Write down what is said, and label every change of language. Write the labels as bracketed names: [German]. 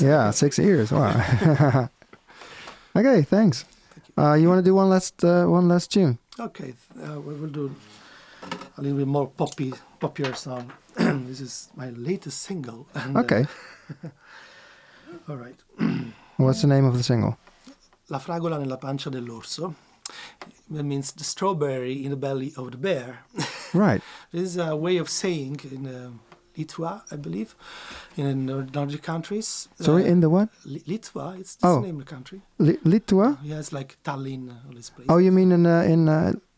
[English] Yeah, 6 ears. Wow. Okay, thanks. Thank you. You want to do one last tune? Okay. We will do a little bit more popular song. This is my latest single. And, okay. All right. What's the name of the single? [Italian] La fragola nella pancia dell'orso. [English] That means the strawberry in the belly of the bear. Right. This is a way of saying in Litua, I believe, in the Nordic countries. Sorry, in the what? Litua, it's the name of the country. Litua? Yeah, it's like Tallinn, all these places. Oh, you mean in